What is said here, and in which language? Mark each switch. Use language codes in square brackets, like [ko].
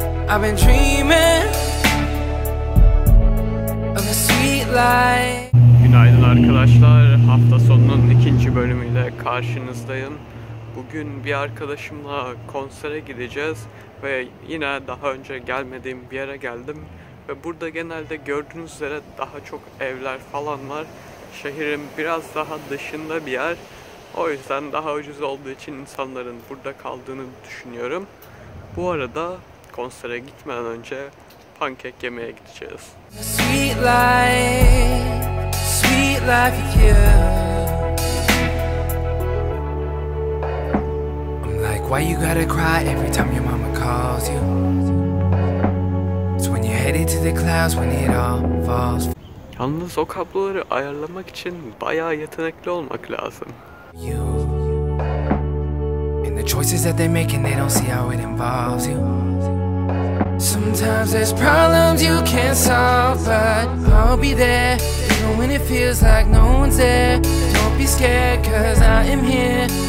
[en] I've been dreaming of a sweet life. [tr] Günaydın arkadaşlar, hafta sonunun ikinci bölümüyle karşınızdayım. Bugün bir arkadaşımla konsere gideceğiz ve yine daha önce gelmediğim bir yere geldim. Ve burada genelde gördüğünüz üzere daha çok evler falan var. Şehrin biraz daha dışında bir yer. O yüzden daha ucuz olduğu için insanların burada kaldığını düşünüyorum. Bu arada konsere gitmeden önce pankek yemeye gideceğiz. [en] Sweet life, sweet life with you. I'm like, why you gotta cry every time your mama calls you? It's when you're headed to the clouds when it all falls. [tr] Yalnız o kabloları ayarlamak için bayağı yetenekli olmak lazım. [en] You. And the choices that they make and they don't see how it involves you. Sometimes there's problems you can't solve, but I'll be there. Even when it feels like no one's there, don't be scared, cause I am here.